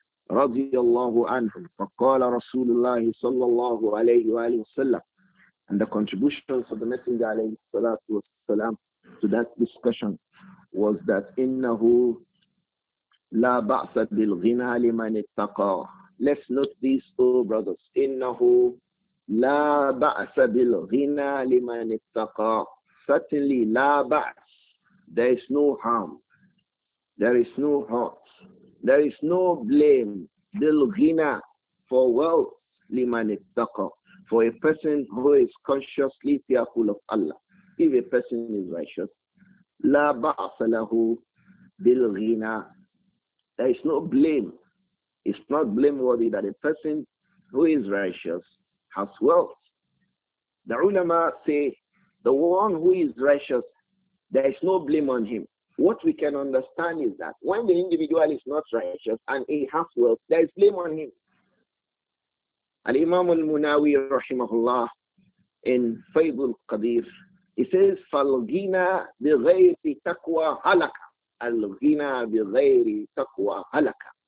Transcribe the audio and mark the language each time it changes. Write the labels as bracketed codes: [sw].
[ar] رضي الله عنهم فقال رسول الله صلى الله عليه وآله وسلم. [en] And the contributions of the Messenger عليه الصلاة والسلام to that discussion was that [ar] إنه لا بأس بالغنى لمن اتقى. [en] Let's note this, oh brothers. [ar] إنه لا بأس بالغنى لمن اتقى. [en] Certainly [ar] لا بأس. [en] There is no harm. There is no hurt. There is no blame, bilghina, for wealth, [ar] liman ittaqa, [en] for a person who is consciously fearful of Allah. If a person is righteous, [ar] la ba'asa lahu bilghina, [en] there is no blame. It's not blameworthy that a person who is righteous has wealth. The ulama say, the one who is righteous, there is no blame on him. What we can understand is that when the individual is not righteous and he has wealth, there is blame on him. Al-Imam al-Munawi rahimahullah in Faidul Qadir, he says, [ar] فَالْغِنَا بِغَيْرِ تَقْوَى هَلَكَ. Al-Ghina بِغَيْرِ تَقْوَى هَلَكَ.